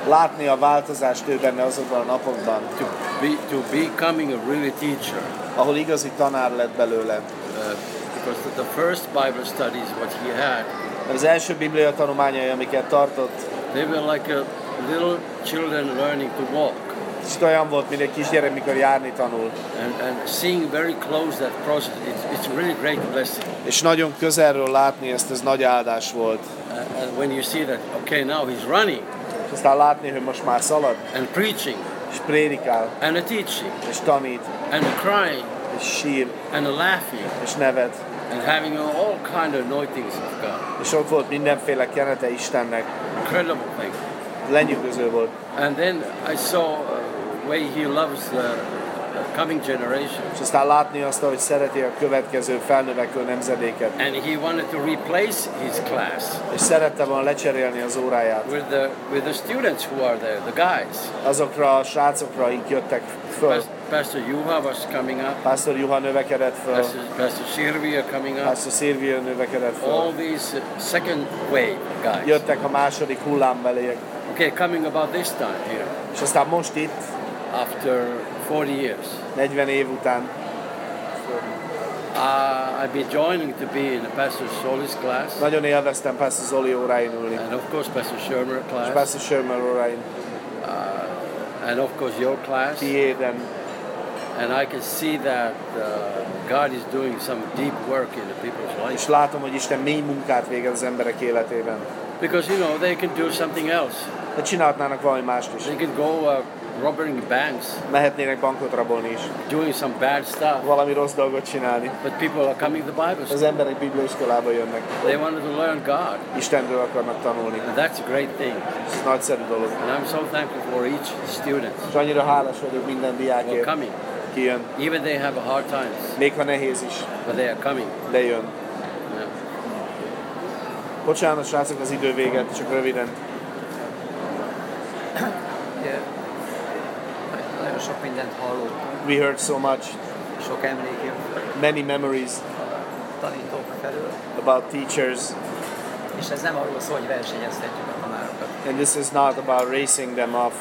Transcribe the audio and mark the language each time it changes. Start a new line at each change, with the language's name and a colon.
Hungarian: Látni a változást ő benne azokban a napokban.
English: To becoming a really teacher.
Hungarian: Ahol igazi tanár lett belőle.
English: Because the first Bible studies what he had.
Hungarian: Az első Biblia tanulmányai, amiket tartott.
English: They were like a little children learning to walk.
Hungarian: Itt olyan volt, mint egy kisgyerek, mikor járni tanul.
English: And seeing very close that process, it's really great blessing.
Hungarian: És nagyon közelről látni ezt, ez nagy áldás volt.
English: And when you see that, okay, now he's running.
Hungarian: Aztán látni, hogy most már szalad.
English: And preaching.
Hungarian: És prédikál.
English: And a teaching.
Hungarian: És tanít.
English: And a crying.
Hungarian: És sír.
English: And a laughing.
Hungarian: És nevet.
English: And having all kind of anointings of God.
Hungarian: És ott volt mindenféle kenete Istennek.
English: Incredible thing.
Hungarian: Lenyűgöző volt.
English: And then I saw way he loves the coming generation.
Hungarian: És aztán látni azt, hogy szereti a következő felnövekvő nemzedéket.
English: And he wanted to replace his class.
Hungarian: És szerette volna lecserélni az óráját.
English: With the students who are there, the guys.
Hungarian: Azokra a srácokra, akik jöttek föl.
English: Pastor Juha was coming up.
Hungarian: Pastor Juha növekedett föl.
English: Pastor Silvia coming up.
Hungarian: Pastor Silvia növekedett föl.
English: All these second wave guys.
Hungarian: Jöttek a második hullám beléjek.
English: Okay, coming about this time here.
Hungarian: És aztán most itt.
English: After 40 years.
Hungarian: 40 év után.
English: I've been joining to be in the Pastor Zoli's class.
Hungarian: Nagyon élveztem Pastor Zoli óráin ülni.
English: And of course Pastor Shermer class.
Hungarian: És Pastor Shermer óráin.
English: And of course your class.
Hungarian: Tiéden.
English: And I can see that God is doing some deep work in the people's life.
Hungarian: És látom, hogy Isten mély munkát végez az emberek életében.
English: Because you know they can do something else.
Hungarian: De csinálhatnának valami mást is.
English: They can go robbing banks.
Hungarian: Mehetnének bankot rabolni is.
English: Doing some bad stuff.
Hungarian: Valami rossz dolgot csinálni.
English: But people are coming to the Bible school.
Hungarian: Az emberek bibliaiskolába jönnek.
English: They wanted to learn God.
Hungarian: Istenről akarnak tanulni.
English: And that's a great thing.
Hungarian: Ez nagyszerű dolog.
English: And I'm so thankful for each student.
Hungarian: És annyira hálás vagyok minden diákért.
English: For coming.
Hungarian: Kijön.
English: Even they have a hard times.
Hungarian: Még ha nehéz is.
English: But they are coming.
Hungarian: Lejön. Bocsánat, srácok, az idő véget, csak röviden. Nagyon sok mindent hallottunk.
English: We heard so much.
Hungarian: Sok emlék jön.
English: Many memories.
Hungarian: Tanítók felül.
English: About teachers.
Hungarian: És ez nem arról szól, hogy versenyeztetjük a tanárokat.
English: And this is not about racing them off.